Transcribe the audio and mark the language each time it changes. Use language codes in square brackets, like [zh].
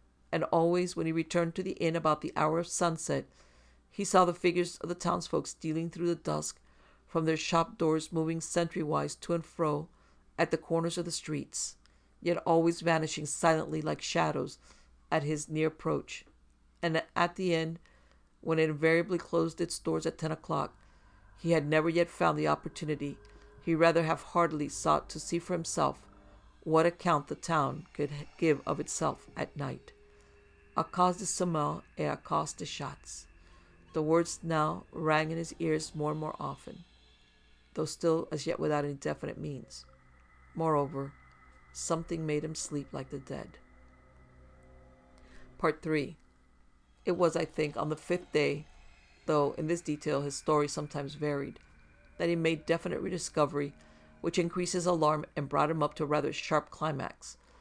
[en] And always, when he returned to the inn about the hour of sunset, he saw the figures of the townsfolk stealing through the dusk from their shop doors, moving sentry-wise to and fro at the corners of the streets, yet always vanishing silently like shadows at his near approach. And at the inn, when it invariably closed its doors at 10 o'clock, he had never yet found the opportunity. He rather half-heartedly sought to see for himself what account the town could give of itself at night. [fr] A cause de sommeil et a cause de chats. [en] The words now rang in his ears more and more often, though still as yet without any definite means. Moreover, something made him sleep like the dead. Part 3. It was, I think, on the fifth day, though in this detail his story sometimes varied, that he made definite rediscovery, which increased his alarm and brought him up to a rather sharp climax.